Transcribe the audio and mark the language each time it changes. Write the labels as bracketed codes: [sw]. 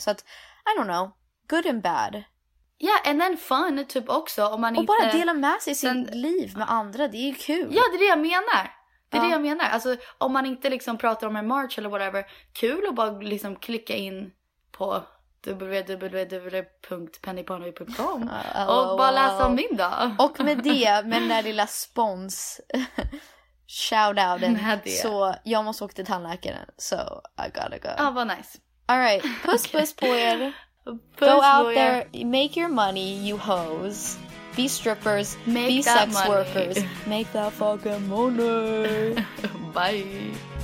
[sv] Så att, [en] I don't know, good and bad. [sv] Ja, [en] yeah, and then fun [sv] typ också. Om man och inte... bara dela med sig sin liv med andra, det är ju kul. Ja, det är det jag menar. Det är det jag menar. Alltså, om man inte liksom pratar om en march eller whatever, kul att bara liksom klicka in på www.pennypony.com och bara läsa om min dag. Och med det, med den där lilla spons shoutouten, så jag måste åka till tandläkaren, [en] so I gotta go. [sv] Ah, vad nice. [en] All right, [sv] puss puss på er. [en] Go out there, make your money, you hoes. Be strippers, be sex workers. Make that fucking money. Bye.